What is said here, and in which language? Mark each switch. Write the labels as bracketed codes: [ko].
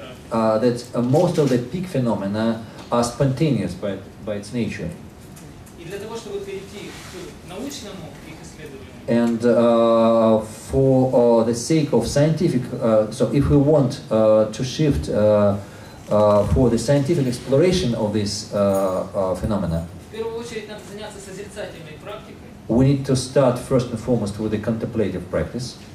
[en] That most of the peak phenomena are spontaneous, but by its nature. [ru] И для того, чтобы перейти к научному их исследованию. [en] And for the sake of scientific, so if we want to shift for the scientific exploration of this phenomena. [ru] В первую очередь надо заняться созерцательной практикой. [en] We need to start first and foremost with the contemplative practice.